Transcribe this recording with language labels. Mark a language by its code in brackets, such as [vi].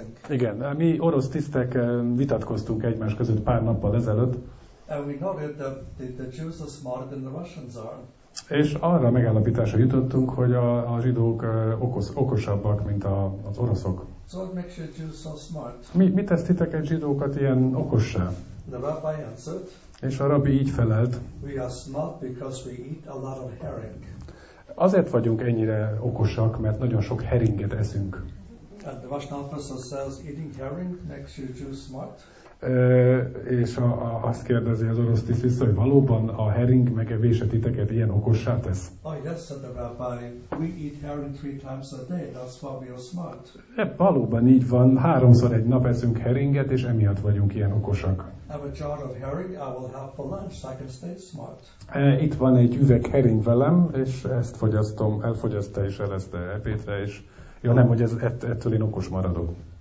[hu] Igen, mi orosz tisztek vitatkoztunk egymás között pár nappal ezelőtt. [en] And we noted that the Jews are smarter than the Russians are. [hu] És arra megállapításra jutottunk, hogy a zsidók okosabbak, mint az oroszok. [en] So what makes you Jews so smart? [hu] Mit tesz titeket zsidókat ilyen okossá? [en] The rabbi answered. [hu] És a rabbi így felelt. [en] We are smart because we eat a lot of herring. [hu] Azért vagyunk ennyire okosak, mert nagyon sok herringet eszünk. [en] And the Russian officer says eating herring makes you Jews smart. [hu] És azt kérdezi az orosz tiszt vissza, hogy valóban a herring megevése titeket ilyen okossá tesz? [en] Oh yes, said the rabbi, we eat herring 3 times a day, that's why we are smart. [hu] Valóban így van, 3-szor egy nap eszünk herringet, és emiatt vagyunk ilyen okosak. [en] Have a jar of herring, I will have for lunch, so I can stay smart. [hu] Itt van egy üveg herring velem, és ezt fogyasztom, elfogyaszta és elezte ebédre, és jó, nem, hogy ettől én okos maradok.